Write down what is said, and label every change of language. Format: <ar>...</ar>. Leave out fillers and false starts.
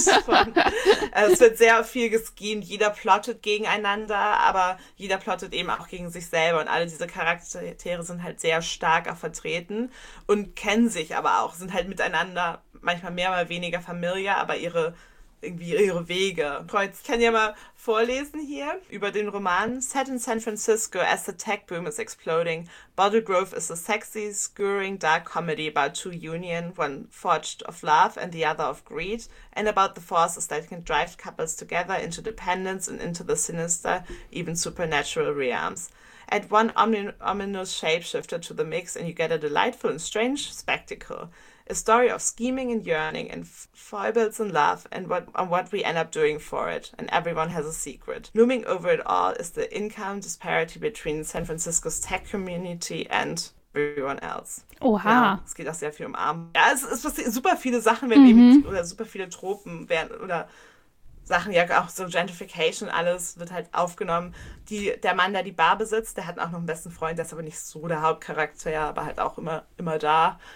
<de>es wird sehr viel geschehen. Jeder plottet gegeneinander, aber jeder plottet eben auch gegen sich selber. Und alle diese Charaktere sind halt sehr stark auch vertreten und kennen sich aber auch, sind halt miteinander manchmal mehr oder weniger familiar, aber ihre irgendwie ihre Wege. Kreuz, ich kann ja mal vorlesen hier über den Roman.</de> <en>Set in San Francisco as the tech boom is exploding, Bottle Grove is a sexy, scurrying, dark comedy about two union, one forged of love and the other of greed, and about the forces that can drive couples together into dependence and into the sinister, even supernatural realms. Add one ominous shapeshifter to the mix and you get a delightful and strange spectacle. A story of scheming and yearning and foibles and love and what we end up doing for it. And everyone has a secret. Looming over it all is the income disparity between San Francisco's tech community and everyone else.</en> <de>Oha. Ja, es geht auch sehr viel um Arm. Ja, es passiert super viele Sachen, wenn mhm. oder super viele Tropen werden oder Sachen, ja auch so Gentrification, alles wird halt aufgenommen. Der Mann, der die Bar besitzt, der hat auch noch einen besten Freund, der ist aber nicht so der Hauptcharakter, aber halt auch immer da.</de>